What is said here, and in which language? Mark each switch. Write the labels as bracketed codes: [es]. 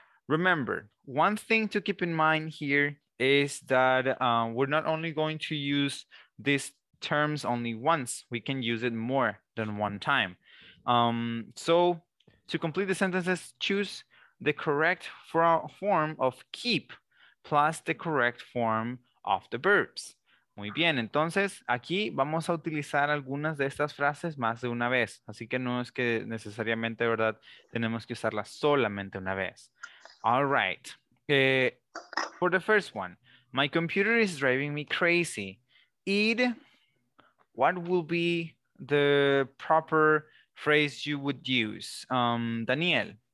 [en] Remember, one thing to keep in mind here is that we're not only going to use these terms only once, we can use it more than one time. So to complete the sentences, choose the correct form of keep plus the correct form of the verbs. [es] Muy bien, entonces aquí vamos a utilizar algunas de estas frases más de una vez. Así que no es que necesariamente, ¿verdad?, tenemos que usarlas solamente una vez. [en] All right. For the first one, my computer is driving me crazy. Id, what will be the proper phrase you would use? Daniel.